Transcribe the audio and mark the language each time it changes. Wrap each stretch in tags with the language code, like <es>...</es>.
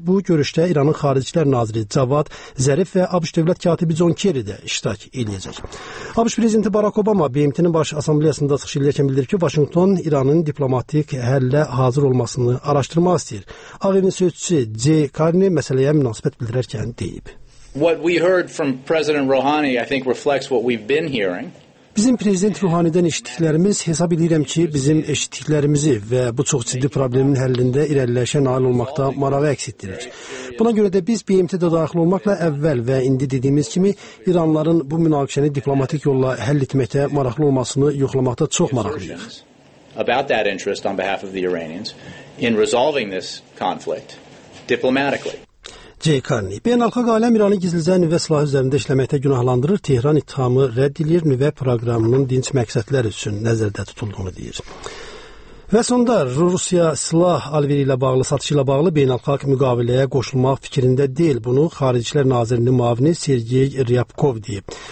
<az>Bu görüşdə İranın Xaricilər Naziri Cavad Zərif və ABŞ Dövlət Katibi John Kerry də iştirak edəcək. ABŞ Prezidenti Barack Obama BMT-nin Baş Assambleyasında çıxış edərkən bildirir ki, Vaşinqton İranın diplomatik həllə hazır olmasını araşdırmaq istəyir. Ağ Evin sözçüsü Jay Carney məsələyə münasibət bildirərkən deyib.</az> <en>What we heard from President Rouhani, I think, reflects what we've been hearing.</en> <az>Bizim Prezident Ruhani'dən eşitdiklərimiz, hesab edirəm ki, bizim eşitdiklərimizi və bu çox ciddi problemin həllində irəliləyişə nail olmaqda marağı əks etdirir. Buna görə də biz BMT-də daxil olmaqla əvvəl və indi dediyimiz kimi İranların bu münaqişəni diplomatik yolla həll etməkdə maraqlı olmasını yoxlamaqda çox maraqlıyıq.</az> <en>About that interest on behalf of the Iranians in resolving this conflict diplomatically.</en> <az>Jay Carney, beynəlxalq aləm İranı gizlicə nüvə silahı üzərində işləməkdə günahlandırır, Tehran ittihamı rədd edir, nüvə proqramının dinç məqsədlər üçün nəzərdə tutulduğunu deyir. Və sonda Rusiya silah alveri ilə bağlı, satışı ilə bağlı beynəlxalq müqaviləyə qoşulmaq fikrində deyil, bunu Xaricişlər Nazirinin müavini Sergey Ryabkov deyib.</az>